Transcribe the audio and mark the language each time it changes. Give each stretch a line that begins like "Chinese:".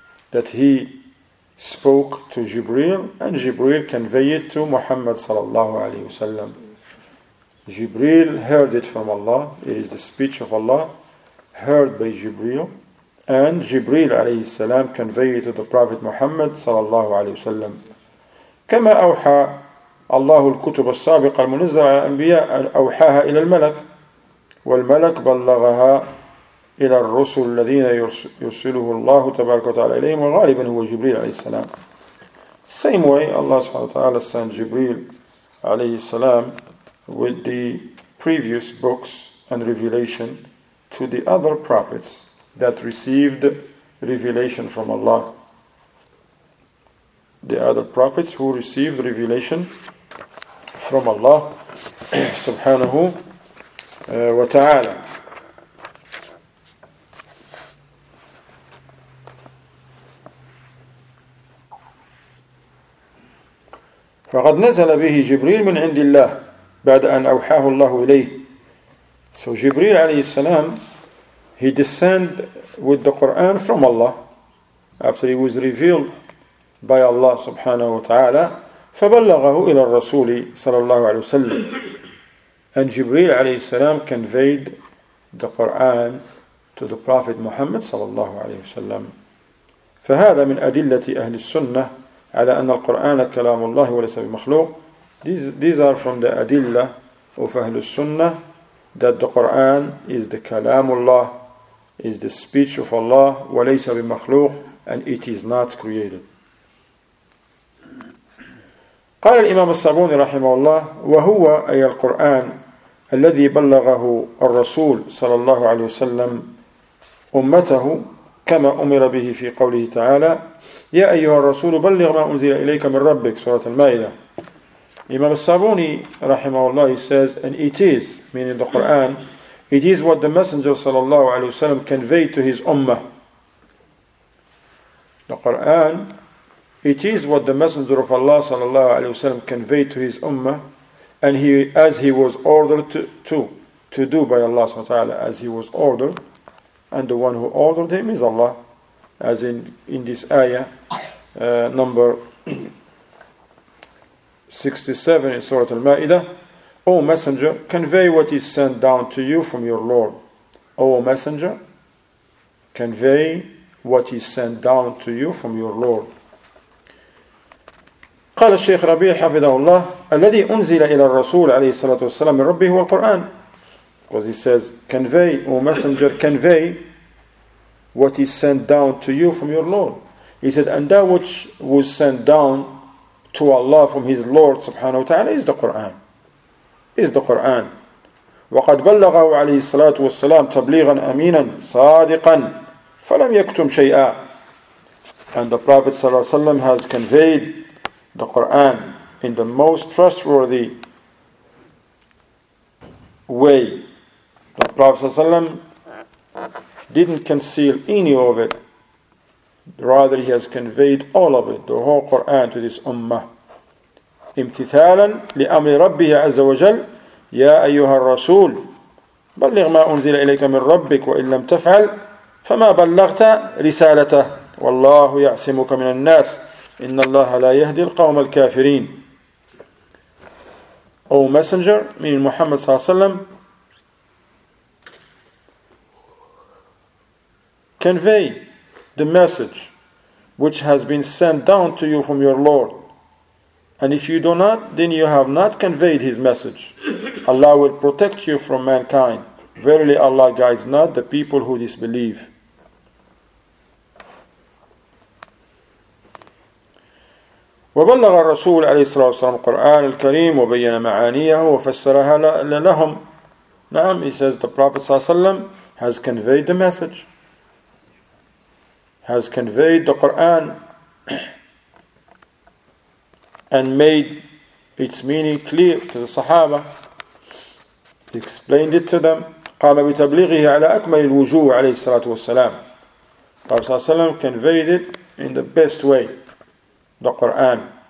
English: That he spoke to Jibreel, and Jibreel conveyed to Muhammad صلى الله عليه وسلم. Jibreel heard it from Allah. It is the speech of Allah, heard by Jibreel, and Jibreel alayhi salam conveyed to the Prophet Muhammad sallallahu alayhi wa sallam.
Arabic: كما أوحى الله الكتب السابقة المنزلة على الأنبياء أوحاها إلى الملك والملك بلغها إلى الرسل الذين يرسله الله تبارك وتعالى إليهم وغالبا هو جبريل عليه السلام.
English: Same way Allah سبحانه وتعالى sent Jibreel عليه السلام with the previous books and revelation to the other prophets that received revelation from Allah. The other prophets who received revelation from Allah subhanahu wa ta'ala.
Arabic: فَقَدْ نَزَلَ بِهِ جِبْرِيلٌ مِنْ عِنْدِ اللَّهِ بعد أن أوحاه الله إليه.
English: So Jibreel عليه السلام, he descended with the Quran from Allah after he was revealed by Allah subhanahu wa ta'ala.
Arabic: فبلغه إلى الرسول صلى الله عليه وسلم.
English: And Jibreel عليه السلام conveyed the Quran to the Prophet Muhammad صلى الله عليه وسلم.
Arabic: فهذا من أدلة أهل السنة على أن القرآن كلام الله وليس بمخلوق.
English: These are from the Adilla of Ahl al-Sunnah that the Qur'an is the Kalamullah, is the speech of Allah,
Arabic: وَلَيْسَ بِمَخْلُوقِ,
English: and it is not created.
Arabic: قال الإمام الصابوني رحمه الله وهو أي القرآن الذي بلغه الرسول صلى الله عليه وسلم أمته كما أمر به في قوله تعالى يا أيها الرسول بلغ ما أنزل إليك من ربك, سورة المائدة.
English: Imam al-Sabuni, rahimahullah, he says, and it is, meaning the Qur'an, it is what the Messenger, sallallahu alayhi wa sallam, conveyed to his ummah. The Qur'an, it is what the Messenger of Allah, sallallahu alayhi wa sallam, conveyed to his ummah, and he, as he was ordered to do by Allah, sallallahu alayhi wa sallam, as he was ordered, and the one who ordered him is Allah, as in this ayah, number 67 in Surah Al-Ma'idah. O Messenger, convey what is sent down to you from your Lord. O Messenger, convey what is sent down to you from your Lord.
Arabic: قال الشيخ ربيع حفظه الله الذي أنزل إلى الرسول عليه الصلاة والسلام من ربه هو القرآن.
English: Because he says, convey, O Messenger, convey what is sent down to you from your Lord. He said, and that which was sent down to Allah from his Lord subhanahu wa ta'ala is the Quran. Is the Quran.
Arabic: وَقَدْ بَلَّغَهُ عَلَيْهِ الصَّلَاةُ وَالسَّلَامُ تَبْلِيغًا أَمِينًا صَادِقًا فَلَمْ يَكْتُمْ شَيْئًا.
English: And the Prophet sallallahu alayhi wa sallam has conveyed the Quran in the most trustworthy way. The Prophet sallallahu alayhi wa sallam didn't conceal any of it. Rather, he has conveyed all of it, the whole Quran, to this ummah.
Arabic: امْتِثَالًا لِأَمْرِ رَبِّهِ عَزَّ وَجَلَّ يا أيها الرسول بلغ ما أنزل إليك من ربك وإن لم تفعل فما بلغت رسالته والله يعصمك من الناس إن الله لا يهدي القوم الكافرين.
English: O messenger, meaning Muhammad صلى الله عليه وسلم, convey the message which has been sent down to you from your Lord, and if you do not, then you have not conveyed his message. Allah will protect you from mankind. Verily Allah guides not the people who disbelieve.
Arabic: وبلغ الرسول عليه الصلاة والسلام القرآن الكريم وبيّن معانيه وفسرها لهم.
English: نعم, he says the Prophet صلى الله عليه وسلم has conveyed the message, has conveyed the Quran and made its meaning clear to the Sahaba. He explained it to them.
Arabic: قام بتبليغه على أكمل الوجوه عليه الصلاة والسلام.
English: Prophet صلى الله عليه وسلم conveyed it in the best way, the Quran.